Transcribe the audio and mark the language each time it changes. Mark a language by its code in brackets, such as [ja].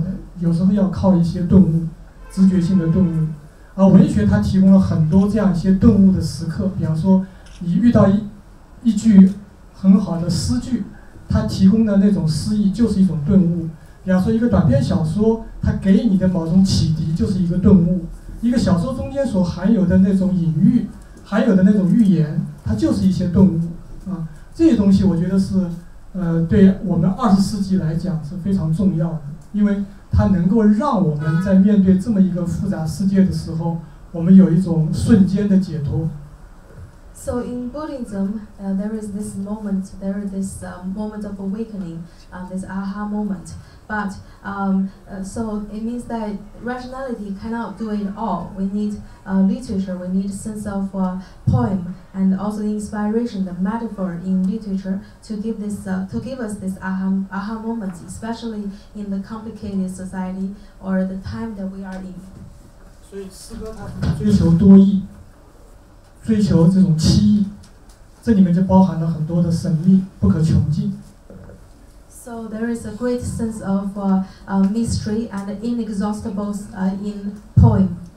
[zh] 它有点像中国那个佛教里面的禅宗，它强调它在某种程度上它是依靠的某些顿悟，甚至某些瞬间的顿悟，对这个世界的理解不是说我们理性可以完全的把握的，有时候要靠一些顿悟，直觉性的顿悟。而文学它提供了很多这样一些顿悟的时刻，比方说你遇到一句很好的诗句，它提供的那种诗意就是一种顿悟。比方说一个短篇小说，它给你的某种启迪就是一个顿悟。一个小说中间所含有的那种隐喻，含有的那种预言。它就是一些顿悟啊，这些东西我觉得是对我们二十世纪来讲是非常重要的，因为它能够让我们在面对这么一个复杂世界的时候，我们有一种瞬间的解脱。 [en] So in Buddhism, there is this moment, there is this moment of awakening, this aha moment. But so it means that rationality cannot do it all. We need literature, we need a sense of poem, and also the inspiration, the metaphor in literature to give this, to give us this aha moment, especially in the complicated society or the time that we are in. So, [zh] 诗歌它是追求多义。追求这种奇异，这里面就包含了很多的神秘，不可穷尽。 [en] So there is a great sense of mystery and inexhaustible in poem.